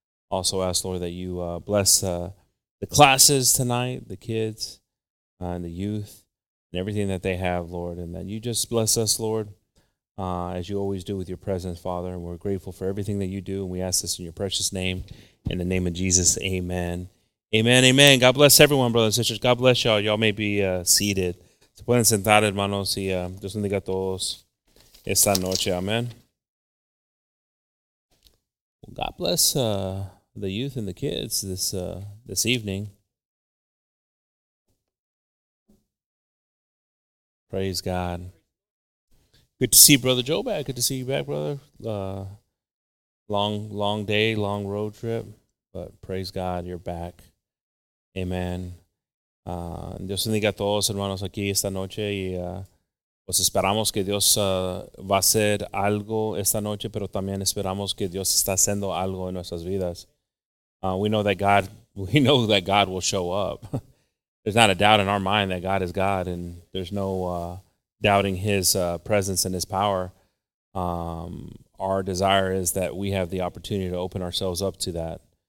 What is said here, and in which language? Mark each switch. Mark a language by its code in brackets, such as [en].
[en] Also ask, Lord, that you bless the classes tonight, the kids and the youth and everything that they have, Lord, and that you just bless us, Lord, as you always do with your presence, Father. And we're grateful for everything that you do, and we ask this in your precious name, in the name of Jesus, amen. Amen, amen. God bless everyone, brothers and sisters. God bless y'all. Y'all may be seated. [es] Se pueden sentar, hermanos, y Dios bendiga a todos esta noche. [en] Amen. Well, God bless the youth and the kids this evening. Praise God. Good to see Brother Joe back. Good to see you back, brother. Long day, long road trip, but praise God, you're back. Amen. [es] Dios bendiga a todos, hermanos, aquí esta noche. Y pues esperamos que Dios va a hacer algo esta noche, pero también esperamos que Dios está haciendo algo en nuestras vidas. [en] We know that God will show up. There's not a doubt in our mind that God is God, and there's no doubting his presence and his power. Our desire is that we have the opportunity to open ourselves up to that.